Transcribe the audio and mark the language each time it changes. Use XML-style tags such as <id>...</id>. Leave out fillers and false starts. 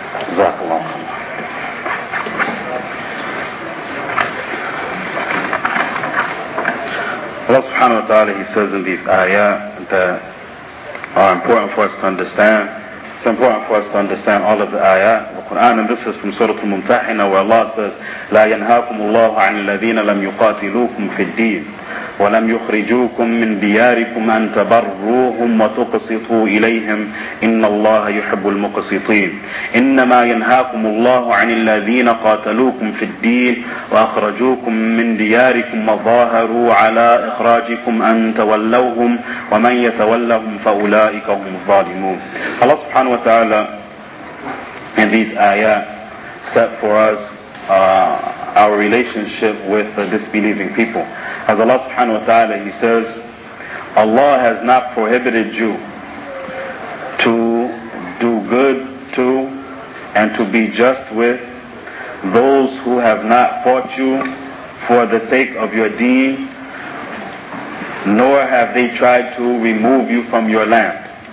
<en>Jazakallah. Allah subhanahu wa ta'ala, he says in these ayah that are important for us to understand. It's important for us to understand all of the ayah, the Quran, and this is from Surah Al-Mumtahina, where Allah says,</en> <ar>لَا يَنْهَاكُمُ اللَّهُ عَنِ الَّذِينَ لَمْ يُقَاتِلُوكُمْ فِي الدِّينِ وَلَمْ يُخْرِجُوكُمْ مِنْ دِيَارِكُمْ أَنْ تَبَرُّوهُمْ وَتُقْسِطُوا إِلَيْهِمْ إِنَّ اللَّهَ يُحِبُّ الْمُقْسِطِينَ إِنَّمَا يَنْهَاكُمُ اللَّهُ عَنِ الَّذِينَ قَاتَلُوكُمْ فِي الدِّينِ وَأَخْرَجُوكُمْ مِنْ دِيَارِكُمْ وَظَاهَرُوا عَلَى إِخْرَاجِكُمْ أَنْ تَوَلَّوْهُمْ وَمَنْ يَتَوَلَّهُمْ فَأُولَئِكَ هُمُ الظَّالِمُونَ.</ar> <en>Allah subhanahu wa ta'ala in these ayat set for us our relationship with the disbelieving people. As Allah subhanahu wa ta'ala, he says, Allah has not prohibited you to do good to and to be just with those who have not fought you for the sake of your deen, nor have they tried to remove you from your land.</en>